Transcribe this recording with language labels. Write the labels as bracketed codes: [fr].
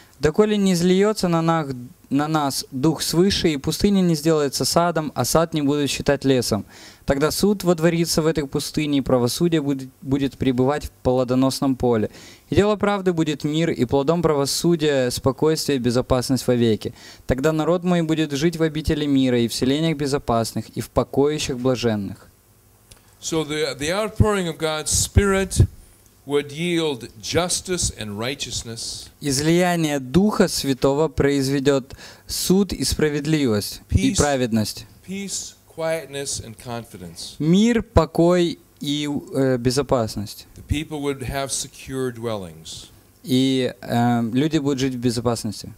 [ru] Доколе не зльется на нас Дух свыше, и пустыня не сделается садом, а сад не будет считать лесом, тогда суд водворится в этой пустыне, и правосудие будет пребывать в плодоносном поле. И дело правды будет мир, и плодом правосудия спокойствие и безопасность вовеки. Тогда народ мой будет жить в обители мира, и в селениях безопасных, и в покоищах блаженных. [en] So the outpouring of God's Spirit would yield justice and righteousness. [ru] Излияние Духа Святого произведет суд и справедливость и праведность. [en] Peace, quietness, and confidence. [ru] Мир, покой и безопасность. [en] The people would have secure dwellings. [ru] И люди будут жить в безопасности.